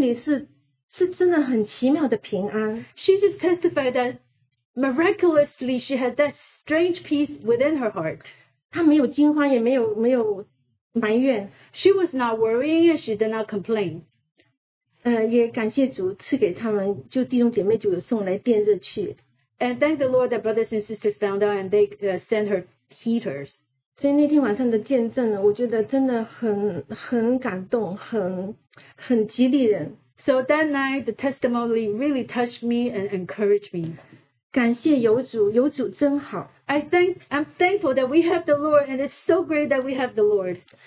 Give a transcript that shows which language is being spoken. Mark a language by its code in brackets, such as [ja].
[zh] 他就见证了，他说他心里是真的很奇妙的平安。 [en] She just testified that miraculously she had that strange peace within her heart. [zh] 她没有惊慌，也没有埋怨。 [en] She was not worrying and she did not complain. [zh] 也感谢主赐给他们，就弟兄姐妹就有送来电热去。 [en] And thank the Lord that brothers and sisters found out and they sent her heaters. [zh] 所以那天晚上的见证，我觉得真的很感动，很激励人。 [en] So that night, the testimony really touched me and encouraged me. [zh] 感谢有主，有主真好。 [en] I think I'm thankful that we have the Lord, and it's so great that we have the Lord.